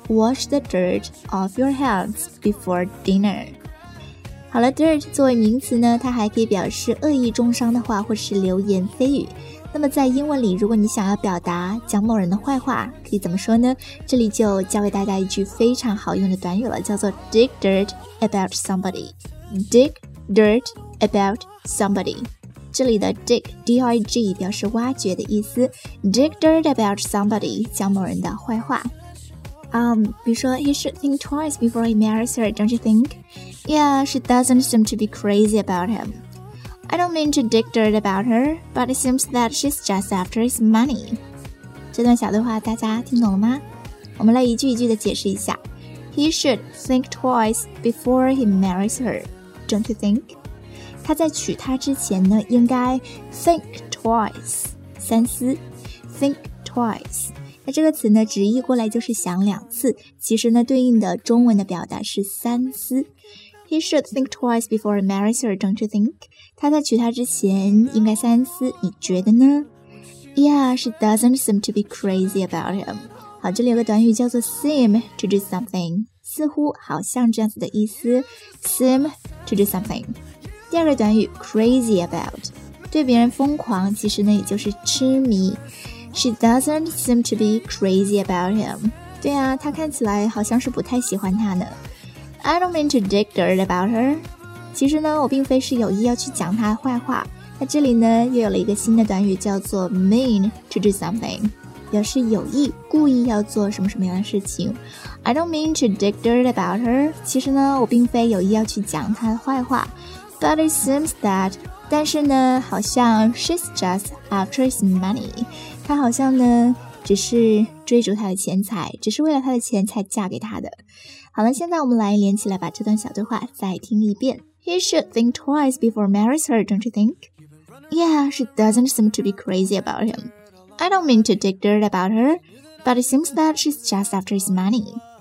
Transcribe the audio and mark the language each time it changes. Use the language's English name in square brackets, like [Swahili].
[English] Wash the dirt off your hands before dinner. [Chinese] 好了 ，dirt 作为名词呢，它还可以表示恶意中伤的话，或是流言蜚语。那么在英文里，如果你想要表达讲某人的坏话，可以怎么说呢？这里就教给大家一句非常好用的短语了，叫做 dig dirt about somebody. [English] Dig dirt about somebody. [Chinese] 这里的 dig, D-I-G, 表示挖掘的意思。 [English] Dig dirt about somebody, 讲某人的坏话。 比如说 he should think twice before he marries her, don't you think? Yeah, she doesn't seem to be crazy about him. I don't mean to dig dirt about her, but it seems that she's just after his money. [Chinese] 这段小对话大家听懂了吗？我们来一句一句的解释一下。 [English] He should think twice before he marries her, don't you think? [Chinese] 他在娶她之前呢，应该 think twice, 三思。 [English] Think twice. [Chinese] 那这个词呢，直译过来就是想两次，其实呢，对应的中文的表达是三思。 [English] He should think twice before he marries her, don't you think? [Chinese] 他在娶她之前应该三思，你觉得呢？ [English] Yeah, she doesn't seem to be crazy about him. [Chinese] 好，这里有个短语叫做 seem to do something. 似乎好像这样子的意思。 [English] Seem to do something. 第二个短语 crazy about. [Chinese] 对别人疯狂，其实呢也就是痴迷。 [English] She doesn't seem to be crazy about him. [Chinese] 对啊，她看起来好像是不太喜欢他呢。 [English] I don't mean to dig dirt about her. [Chinese] 其实呢，我并非是有意要去讲她坏话。那这里呢，又有了一个新的短语，叫做 mean to do something，表示有意、故意要做什么什么样的事情。 [English] I don't mean to dig dirt about her. [Chinese] 其实呢，我并非有意要去讲她的坏话。 [English] But it seems that，但是呢，好像 she's just after his money. [Chinese] 她好像呢，只是追逐她的钱财，只是为了她的钱才嫁给他的。好了，现在我们来连起来把这段小对话再听一遍。 [English] He should think twice before marries her, don't you think? Yeah, she doesn't seem to be crazy about him. I don't mean to dig dirt about her, but it seems that she's just after his money.